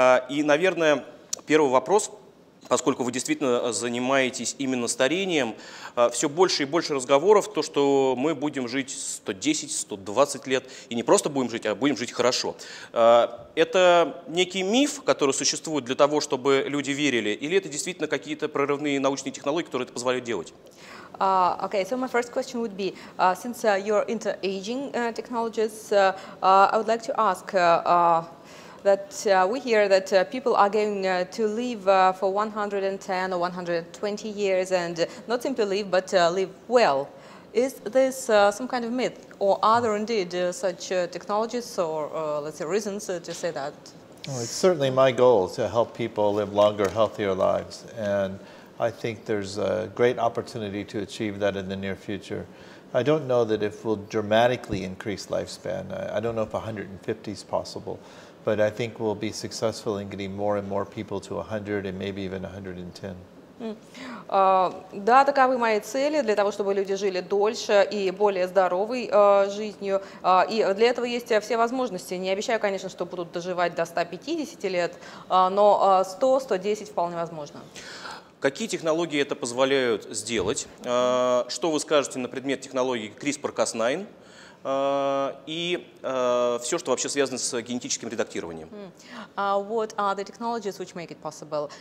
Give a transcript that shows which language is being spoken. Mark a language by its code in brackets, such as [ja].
[ru] И, наверное, первый вопрос, поскольку вы действительно занимаетесь именно старением, все больше и больше разговоров, то, что мы будем жить 110-120 лет, и не просто будем жить, а будем жить хорошо. Это некий миф, который существует для того, чтобы люди верили, или это действительно какие-то прорывные научные технологии, которые это позволяют делать? [en] Okay, so my first question would be, since you're into aging technologies, I would like to ask that we hear that people are going to live for 110 or 120 years, and not simply live, but live well. Is this some kind of myth, or are there indeed such technologies, or let's say reasons to say that? Well, it's certainly my goal to help people live longer, healthier lives, and I think there's a great opportunity to achieve that in the near future. I don't know that if we'll dramatically increase lifespan. I don't know if 150 is possible, but I think we'll be successful in getting more and more people to 100 and maybe even 110. [ru] Да, таковы мои цели, для того, чтобы люди жили дольше и более здоровой жизнью. И для этого есть все возможности. Не обещаю, конечно, что будут доживать до 150 лет, но 100-110 вполне возможно. Какие технологии это позволяют сделать? Что вы скажете на предмет технологии CRISPR-Cas9 и все, что вообще связано с генетическим редактированием? [en] What are the technologies which make it possible?